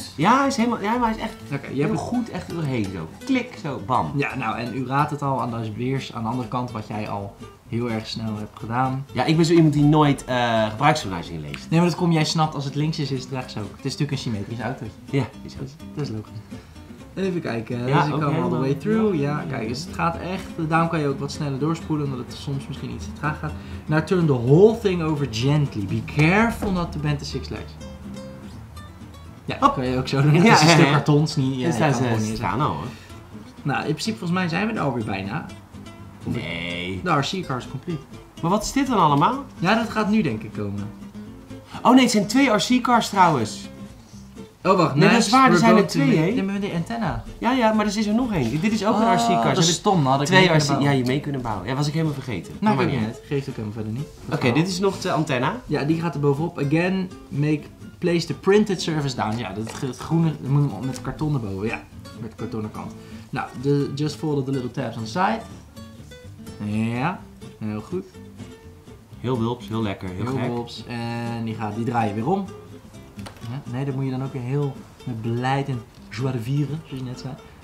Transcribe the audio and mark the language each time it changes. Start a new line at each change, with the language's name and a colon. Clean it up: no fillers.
Dutch: Is, ja, hij is helemaal, ja, maar hij is echt
English: okay,
Dutch: je hebt hem goed echt doorheen zo. Klik, zo, bam. Ja, nou, en u raadt het al, en dat is weer aan de andere kant wat jij al heel erg snel hebt gedaan. Ja, ik ben zo iemand die nooit gebruiksaanwijzingen leest. Nee, maar dat komt, jij snapt, als het links is, is het rechts ook. Het is natuurlijk een symmetrisch autootje. Ja, dat is logisch. Even kijken, ja,
English: has it come all the way through?
Dutch: Ja, ja, kijk, dus het gaat echt, daarom kan je ook wat sneller doorspoelen, omdat het soms misschien iets te traag gaat.
English: Now turn the whole thing over gently. Be careful not to bend the six legs.
Dutch: Ja, dat kan je ook zo doen. Het ja, is een stuk kartons niet. Ja, dat ja, is staan al hoor. Nou, in principe volgens mij zijn we er alweer bijna. Nee.
English: De RC car is complete.
Dutch: Maar wat is dit dan allemaal? Ja, dat gaat nu denk ik komen. Oh nee, het zijn twee RC cars trouwens. Oh wacht, nee, dat is waar, er zijn er twee, hè? Nee, met de antenne. Ja, ja, maar er is er nog één. Dit is ook een RC car. Dat is stom, had ik twee mee kunnen bouwen. Ja, je mee kunnen bouwen. Ja, was ik helemaal vergeten. Nou, maar niet. Geeft ook helemaal verder niet. Oké, dit is nog de antenne. Ja, die gaat er bovenop.
English: Again, make place the printed surface down.
Dutch: Ja, dat groene, dat moet met karton erboven. Ja, met de kartonnen kant.
English: Nou, just fold the little tabs on the side.
Dutch: Ja, heel goed. Heel wulps, heel lekker, heel gek. Heel wulps. En die draai je weer om. Nee, dat moet je dan ook weer heel met beleid en joie de vivre, zoals je net zei.